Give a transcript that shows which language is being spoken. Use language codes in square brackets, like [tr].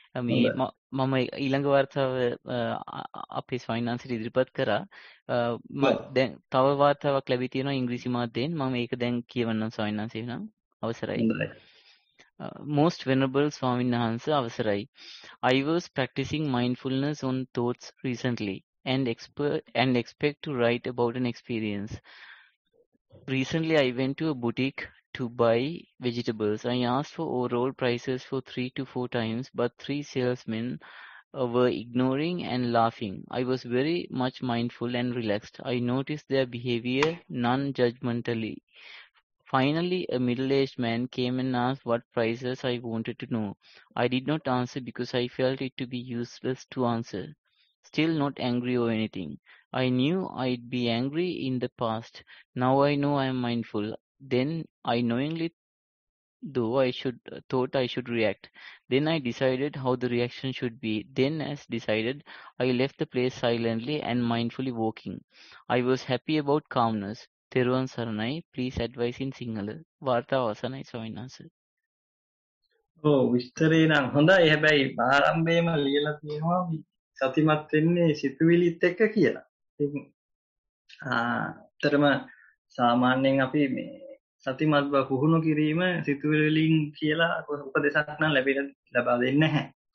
[si] මේ මම ඊළඟ වතාව අපි ස්වාමීන් වහන්සේට ඉදිරිපත් කරා. දැන් තව වතාවක් ලැබී තියෙනවා ඉංග්‍රීසි මාධ්‍යයෙන්. මම ඒක දැන් කියවන්නම් ස්වාමීන් වහන්සේ වෙනම් අවසරයි. [en] Most Venerable Swaminahansa Avasarai, I was practicing mindfulness on thoughts recently and expect to write about an experience. Recently, I went to a boutique to buy vegetables. I asked for overall prices for 3 to 4 times, but 3 salesmen were ignoring and laughing. I was very much mindful and relaxed. I noticed their behavior non-judgmentally. Finally, a middle-aged man came and asked what prices I wanted to know. I did not answer because I felt it to be useless to answer. Still not angry or anything. I knew I'd be angry in the past. Now I know I am mindful. Then I knowingly thought I should react. Then I decided how the reaction should be. Then as decided, I left the place silently and mindfully walking. I was happy about calmness. [si] තෙරුවන් සරණයි, [en] please advice in Sinhala. [si] වාර්තා අවසන්යි ස්වාමීන් වහන්සේ. ඔව් විස්තරේ නම් හොඳයි. හැබැයි ආරම්භයේම ලියලා තියෙනවා සතිමත් වෙන්නේ සිතුවිලිත් එක්ක කියලා. ඉතින් අතරම සාමාන්‍යයෙන් අපි මේ සතිමත් බව පුහුණු කිරීම සිතුවිලිලින් කියලා උපදේශයක් නම් ලබා දෙන්නේ නැහැ.